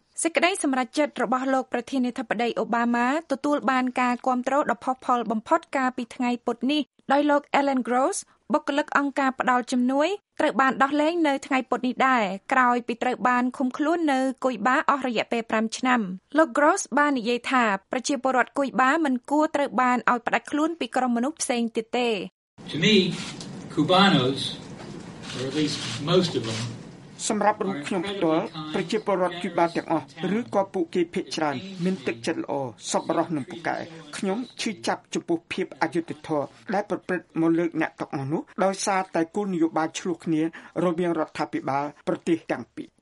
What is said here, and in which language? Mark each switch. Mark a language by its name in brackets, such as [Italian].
[Khmer] សេចក្តីសម្រេចចិត្តរបស់លោកប្រធានាធិបតីអូបាម៉ាទទួលបានការគាំទ្រដ៏ផុសផុលបំផុតកាលពីថ្ងៃពុធនេះដោយលោក Alan Gross បុគ្គលិកអង្គការផ្តល់ជំនួយត្រូវបានដោះលែងនៅថ្ងៃពុធនេះដែរក្រោយពីត្រូវបានឃុំខ្លួននៅគុយបាអស់រយៈពេល5ឆ្នាំលោក Gross បាននិយាយថាប្រជាពលរដ្ឋគុយបាមិនគួរត្រូវបានឲ្យផ្តាច់ខ្លួនពីក្រុមមនុស្សផ្សេងទៀតទេ [English] To me Cubanos or at least most of them [Khmer] សម្រាប់រូបខ្ញុំផ្ទាល់ប្រជាពលរដ្ឋគុយបាទាំងអស់ឬក៏ពួកគេភាគច្រើនមានទឹកចិត្តល្អសប្បុរសនិងពូកែខ្ញុំឈឺចាប់ចំពោះភាពអយុត្តិធម៌ដែលប្រព្រឹត្តមកលើអ្នកទាំងអស់នោះដោយសារតែគោលនយោបាយឆ្លោះគ្នារវាងរដ្ឋាភិបាលប្រទេសទាំងពីរ